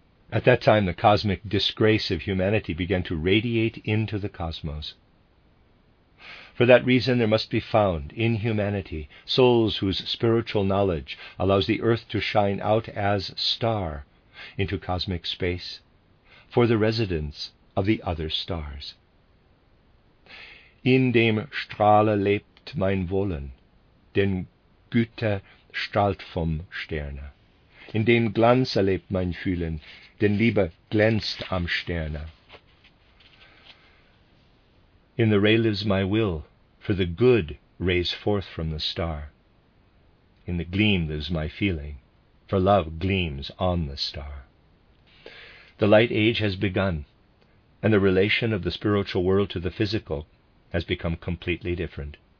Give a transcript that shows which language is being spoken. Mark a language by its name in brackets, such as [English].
[English] At that time, the cosmic disgrace of humanity began to radiate into the cosmos. For that reason, there must be found, in humanity, souls whose spiritual knowledge allows the earth to shine out as star into cosmic space for the residence of the other stars. [German] In dem Strahle lebt mein Wollen, denn Güte strahlt vom Sterne. In dem Glanze lebt mein Fühlen, denn Liebe glänzt am Sterne. [English] In the ray lives my will, for the good rays forth from the star. In the gleam lives my feeling, for love gleams on the star. The light age has begun, and the relation of the spiritual world to the physical has become completely different.